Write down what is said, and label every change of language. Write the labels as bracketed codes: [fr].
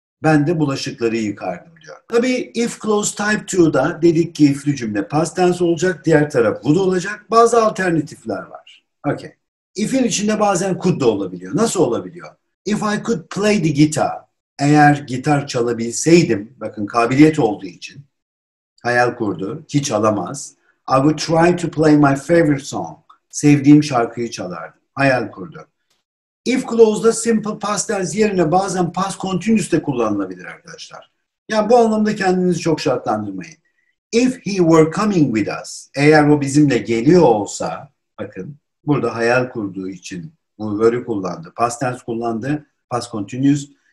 [tr] Ben de bulaşıkları yıkardım diyor. Tabii if clause type 2'da dedik ki if'li cümle past tense olacak, diğer taraf would olacak. Bazı alternatifler var. Okay. If'in içinde bazen could da olabiliyor. Nasıl olabiliyor? [en] If I could play the guitar. [tr] Eğer gitar çalabilseydim, bakın kabiliyet olduğu için, hayal kurdu, ki çalamaz. [en] I would try to play my favorite song. [tr] Sevdiğim şarkıyı çalardım. Hayal kurdu. If clause'da simple past tense yerine bazen past continuous de kullanılabilir arkadaşlar. Yani bu anlamda kendinizi çok şartlandırmayın. [en] If he were coming with us, [tr] eğer o bizimle geliyor olsa, bakın burada hayal kurduğu için bu were'ü kullandı, past tense kullandı, past continuous.